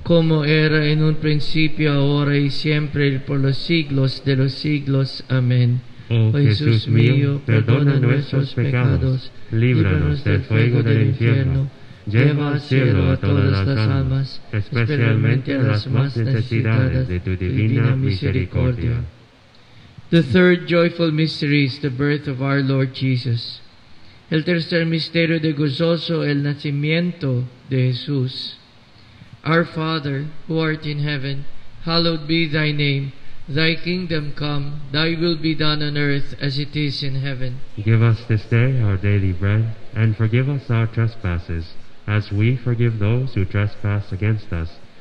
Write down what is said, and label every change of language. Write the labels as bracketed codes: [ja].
[es] Como era en un principio, ahora y siempre, y por los siglos de los siglos. Amén. Oh Jesús mío, perdona nuestros pecados, líbranos del fuego del infierno. Lleva al cielo a todas las almas, especialmente a las más necesitadas de tu divina misericordia. [en] The third joyful mystery is the birth of our Lord Jesus. [es] El tercer misterio de gozoso, el nacimiento de Jesús. [en] Our Father, who art in heaven, hallowed be thy name. Thy kingdom come, thy will be done on earth as it is in heaven. Give us this day our daily bread, and forgive us our trespasses, as we forgive those who trespass against us.